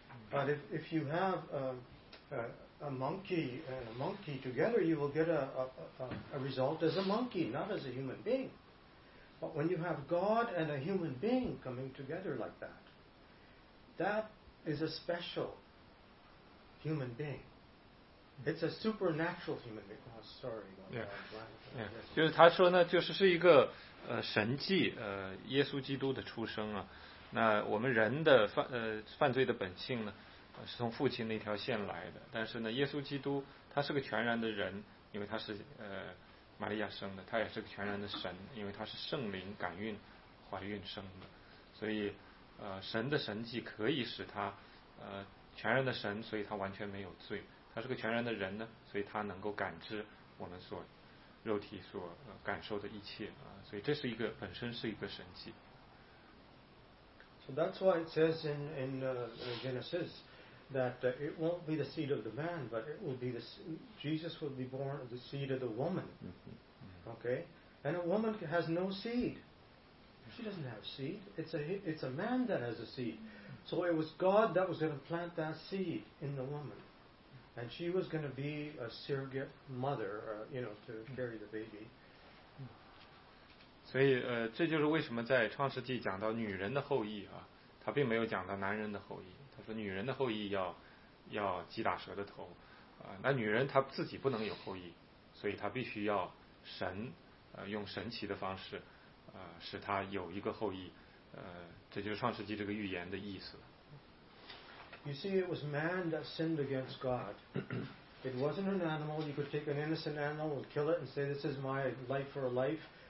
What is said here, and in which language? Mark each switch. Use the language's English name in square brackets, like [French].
[English] But if you have a monkey together, you will get a result as a monkey, not as a human being. But when you have God and a human being coming together like that, that is a special human being. It's a supernatural human being. Oh, sorry. Yeah. [Chinese] 就是他说呢，就是是一个神迹，耶稣基督的出生啊。那我们人的犯罪的本性呢？是从父亲那条线来的，但是呢，耶稣基督他是个全然的人，因为他是玛利亚生的，他也是个全然的神，因为他是圣灵感孕怀孕生的，所以神的神迹可以使他全然的神，所以他完全没有罪，他是个全然的人呢，所以他能够感知我们所肉体所感受的一切啊，所以这是一个本身是一个神迹。 [English] So that's why it says in Genesis. That it won't be the seed of the man, but it will be Jesus will be born of the seed of the woman. Okay? And a woman has no seed. She doesn't have seed. It's a man that has a seed. So it was God that was going to plant that seed in the woman. And she was going to be a surrogate mother, to carry the baby. [Chinese] 所以这就是为什么在创世纪讲到女人的后裔啊，他并没有讲到男人的后裔。他说女人的后裔要击打蛇的头那女人她自己不能有后裔，所以她必须要神用神奇的方式使她有一个后裔这就是创世纪这个预言的意思。 [English] You see, it was man that sinned against God. It wasn't an animal. You could take an innocent animal and kill it and say this is my life for a life.